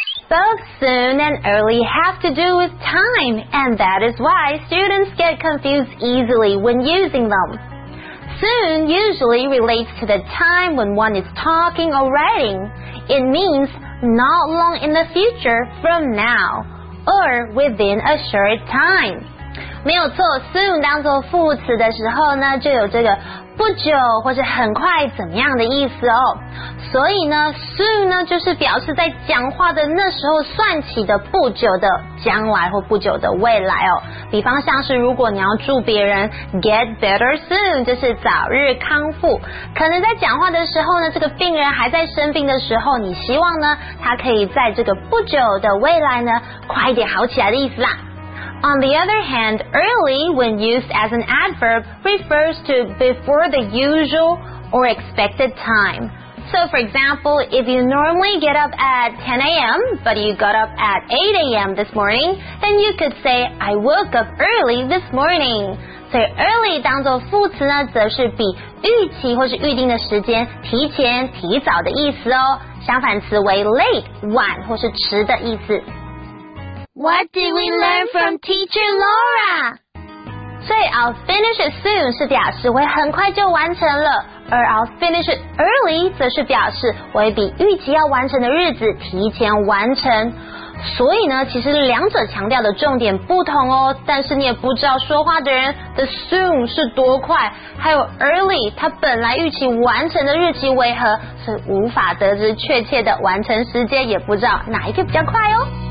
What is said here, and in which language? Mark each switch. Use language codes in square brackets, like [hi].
[en] Both soon and early have to do with time, and that is why students get confused easily when using them. Soon usually relates to the time when one is talking or writing. It means not long in the future from now, or within a short time. [zh] 没有错， soon 当作副词的时候呢，就有这个不久或者很快怎么样的意思哦，所以呢 soon 呢就是表示在讲话的那时候算起的不久的将来或不久的未来哦。比方像是如果你要祝别人 [en] get better soon， [zh] 就是早日康复，可能在讲话的时候呢，这个病人还在生病的时候，你希望呢他可以在这个不久的未来呢快一点好起来的意思啦。 [en] On the other hand, early, when used as an adverb, refers to before the usual or expected time. So, for example, if you normally get up at 10 a.m., but you got up at 8 a.m. this morning, then you could say, I woke up early this morning. [zh] 所以 early 当作副词呢，则是比预期或是预定的时间提前、提早的意思哦。相反词为 late, 晚或是迟的意思。 [en] What did we learn from Teacher Laura? So I'll finish it soon [zh] 是表示会很快就完成了，而 [en] I'll finish it early [zh] 则是表示会比预期要完成的日子提前完成。所以呢，其实两者强调的重点不同哦，但是你也不知道说话的人的 soon 是多快，还有 early 它本来预期完成的日期为何，是无法得知确切的完成时间，也不知道哪一个比较快哦。